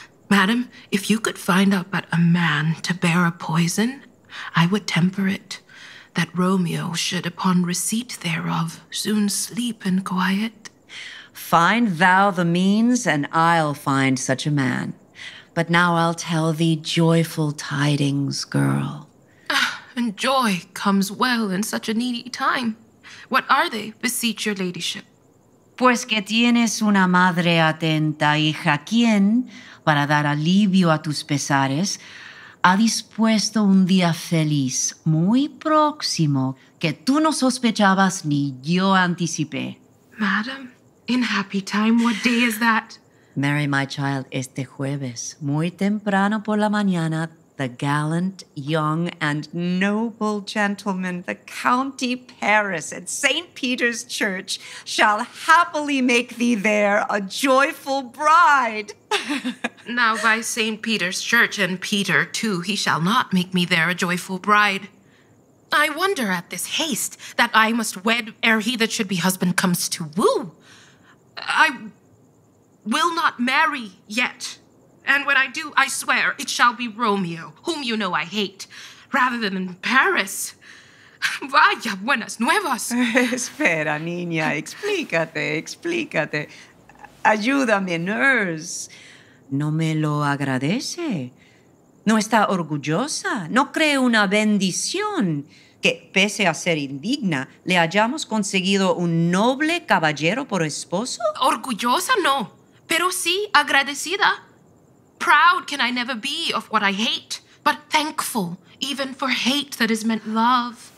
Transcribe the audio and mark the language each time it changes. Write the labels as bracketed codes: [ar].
[en] Madam, if you could find out but a man to bear a poison, I would temper it, that Romeo should, upon receipt thereof, soon sleep in quiet. Find thou the means, and I'll find such a man. But now I'll tell thee joyful tidings, girl. And joy comes well in such a needy time. What are they, beseech your ladyship? [es] Pues que tienes una madre atenta, hija, quien, para dar alivio a tus pesares, ha dispuesto un día feliz, muy próximo, que tú no sospechabas ni yo anticipé. [en] Madam, in happy time, what day is that? Mary, my child, [es] este jueves, muy temprano por la mañana, [en] the gallant, young, and noble gentleman, the county Paris at St. Peter's Church, shall happily make thee there a joyful bride. Now by St. Peter's Church and Peter, too, he shall not make me there a joyful bride. I wonder at this haste that I must wed ere he that should be husband comes to woo. I will not marry yet. And when I do, I swear, it shall be Romeo, whom you know I hate, rather than Paris. [es] Vaya, buenas nuevas. Espera, niña, explícate, explícate. Ayúdame, nurse. No me lo agradece. No está orgullosa. No cree una bendición que, pese a ser indigna, le hayamos conseguido un noble caballero por esposo. Orgullosa, no. Pero sí agradecida. [en] Proud can I never be of what I hate, but thankful even for hate that is meant love.